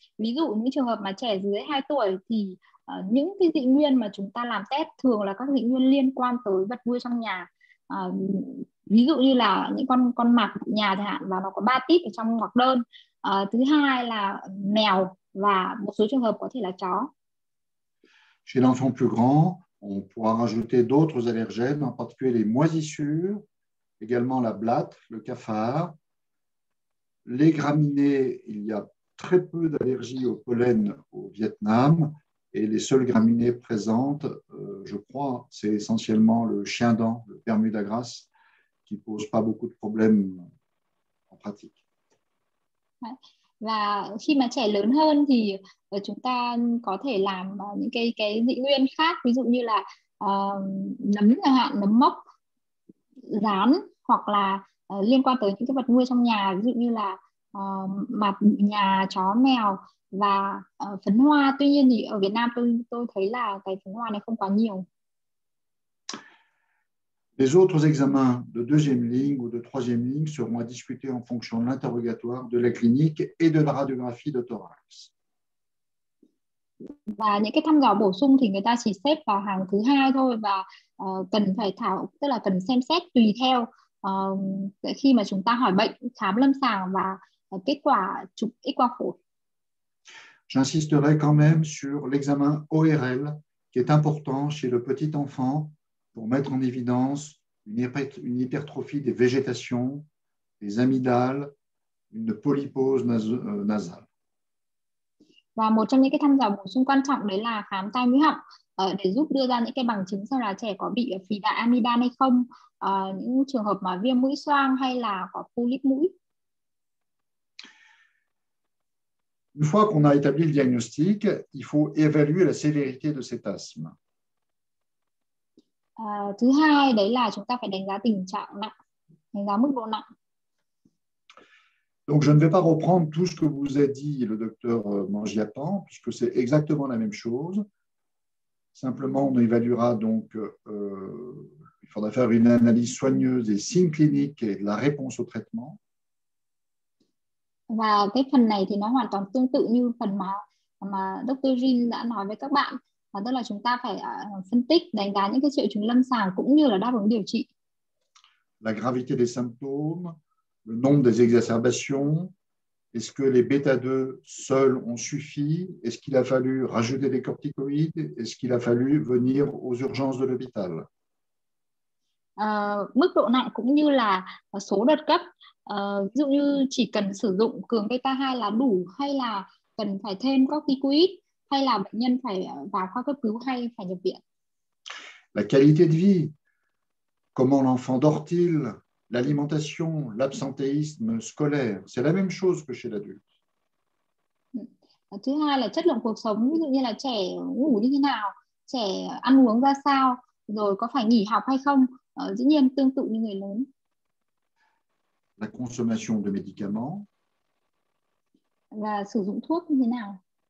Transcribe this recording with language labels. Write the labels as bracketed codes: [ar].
[vi] Ví dụ những trường hợp mà trẻ dưới 2 tuổi thì những cái dị nguyên mà chúng ta làm test thường là các dị nguyên liên quan tới vật nuôi trong nhà. Ví dụ như là những con mặt nhà chẳng hạn, và nó có 3 típ ở trong ngoặc đơn. Thứ hai là mèo và một số trường hợp có thể là chó. [fr] Chez l'enfant plus grand, on pourra rajouter d'autres allergènes, en particulier les moisissures, également la blatte, le cafard. Les graminées, il y a très peu d'allergies au pollen au Vietnam. Et les seules graminées présentes, je crois, c'est essentiellement le chien-dent, le Bermuda grass, qui ne pose pas beaucoup de problèmes en pratique. [vi] Và khi mà trẻ lớn hơn thì chúng ta có thể làm những cái dị nguyên khác, ví dụ như là nấm chẳng hạn, nấm mốc, rán, hoặc là liên quan tới những cái vật nuôi trong nhà, ví dụ như là mạt nhà, chó, mèo và phấn hoa. Tuy nhiên thì ở Việt Nam tôi thấy là cái phấn hoa này không quá nhiều. [fr] Les autres examens de deuxième ligne ou de troisième ligne seront à discuter en fonction de l'interrogatoire, de la clinique et de la radiographie de thorax. [vi] Và những cái thăm dò bổ sung thì người ta chỉ xếp vào hàng thứ hai thôi, và cần phải tức là cần xem xét tùy theo khi mà chúng ta hỏi bệnh, khám lâm sàng và kết quả chụp X-quang phổi. [fr] J'insisterai quand même sur l'examen ORL qui est important chez le petit enfant pour mettre en évidence une hypertrophie des végétations, des amygdales, une polypose nasale. [vi] Và một trong những cái thăm dò bổ sung quan trọng đấy là khám tai mũi họng để giúp đưa ra những cái bằng chứng xem là trẻ có bị phì đại amidan hay không, những trường hợp mà viêm mũi xoang hay là có polyp mũi. [fr] Une fois qu'on a établi le diagnostic, il faut évaluer la sévérité de cet asthme. [vi] Thứ hai đấy là chúng ta phải đánh giá tình trạng nặng, đánh giá mức độ nặng. [fr] Donc je ne vais pas reprendre tout ce que vous a dit le docteur Mangiapan, puisque c'est exactement la même chose. Simplement, on évaluera donc, il faudra faire une analyse soigneuse des signes cliniques et la réponse au traitement. [vi] Và cái phần này thì nó hoàn toàn tương tự như phần mà Dr. Jin đã nói với các bạn, và tức là chúng ta phải phân tích, đánh giá những cái triệu chứng lâm sàng cũng như là đáp ứng điều trị. [fr] La gravité des symptômes, le nombre des exacerbations, est-ce que les bêta 2 seuls ont suffi, est-ce qu'il a fallu rajouter des corticoïdes, est-ce qu'il a fallu venir aux urgences de l'hôpital. [vi] Mức độ nặng cũng như là số đợt cấp, ví dụ như chỉ cần sử dụng cường beta 2 là đủ hay là cần phải thêm corticoid hay là bệnh nhân phải vào khoa cấp cứu hay phải nhập viện. [fr] La qualité de vie. Comment l'enfant dort-il? L'alimentation, l'absentéisme scolaire, c'est la même chose que chez l'adulte. [vi] Thứ hai là chất lượng cuộc sống, ví dụ như là trẻ ngủ như thế nào, trẻ ăn uống ra sao, rồi có phải nghỉ học hay không, dĩ nhiên tương tự như người lớn. [fr] La consommation de médicaments. [vi] Và sử dụng thuốc như thế nào.